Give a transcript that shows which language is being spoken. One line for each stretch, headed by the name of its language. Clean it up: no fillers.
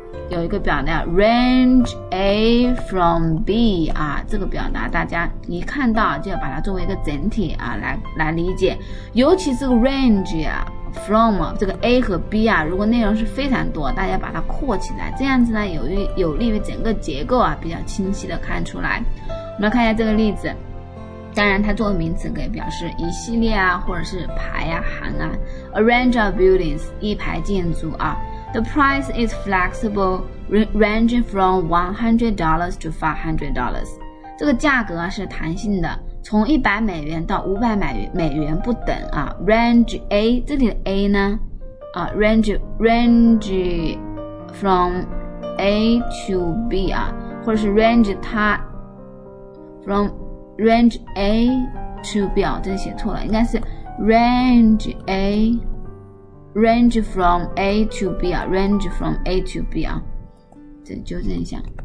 Chinese: 有一个表达 range A from B 啊，这个表达大家一看到就要把它作为一个整体啊来理解，尤其是 range 啊from 这个 A 和 B 啊，如果内容是非常多，大家把它括起来，这样子呢有利于整个结构啊比较清晰的看出来。我们来看一下这个例子，当然它作为名词可以表示一系列啊，或者是排啊行啊。
English: A range of buildings
Chinese: 一排建筑啊。
English: The price is flexible ranging from $100 to $500，
Chinese: 这个价格是弹性的，从100美元到500美元不等啊。 range A 这里的 A 呢啊
English: range from A to B
Chinese: 啊，或者是 range 它 from range A to B 啊，这写错了，应该是 range from A to B 啊， range from A to B 啊，这纠正一下，